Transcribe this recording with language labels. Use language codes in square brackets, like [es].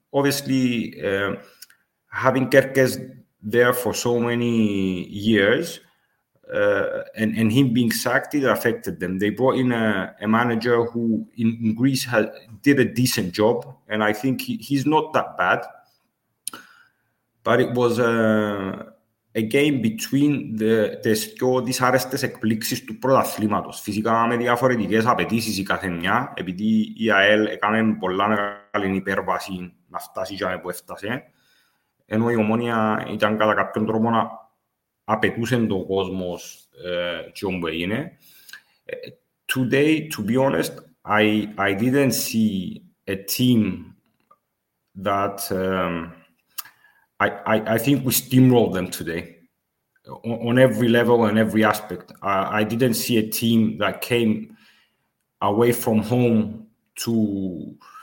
[en] Obviously, having Gerkes there for so many years and him being sacked, it affected them. They brought in a manager who in Greece did a decent job, and I think he's not that bad. But it was a game between the [el] δύο δυσάρεστες εκπλήξεις του πρωταθλήματος. Φυσικά με διαφορετικές απαιτήσεις η καθεμιά, επειδή η ΑΕΛ έκανε πολλά μεγάλη υπέρβαση να φτάσει για που έφτασε, ενώ η Ομόνοια ήταν κατά κάποιον τρόπο να απαιτούσε τον κόσμο και όμως έγινε. [en] Today, to be honest, I didn't see a team that I think we steamrolled them today on every level and every aspect. I didn't see a team that came away from home to...